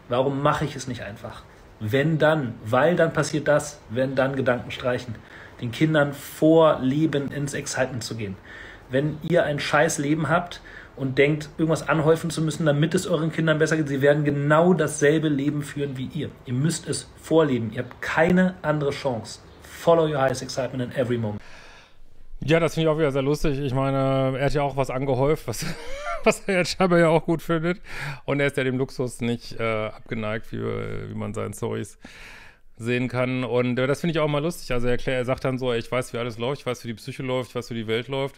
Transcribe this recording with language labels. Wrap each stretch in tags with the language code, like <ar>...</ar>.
<de>Warum mache ich es nicht einfach? Wenn dann, weil dann passiert das, wenn dann Gedanken streichen, den Kindern vorleben, ins Excitement zu gehen. Wenn ihr ein scheiß Leben habt und denkt, irgendwas anhäufen zu müssen, damit es euren Kindern besser geht, sie werden genau dasselbe Leben führen wie ihr. Ihr müsst es vorleben. Ihr habt keine andere Chance.</de> <en>Follow your highest excitement in every moment.</en> <de>Ja, das finde ich auch wieder sehr lustig. Ich meine, er hat ja auch was angehäuft, was er jetzt scheinbar ja auch gut findet. Und er ist ja dem Luxus nicht abgeneigt, wie man seinen Storys sehen kann. Und das finde ich auch mal lustig. Also er sagt dann so, ey, ich weiß, wie alles läuft, ich weiß, wie die Psyche läuft, ich weiß, wie die Welt läuft.</de>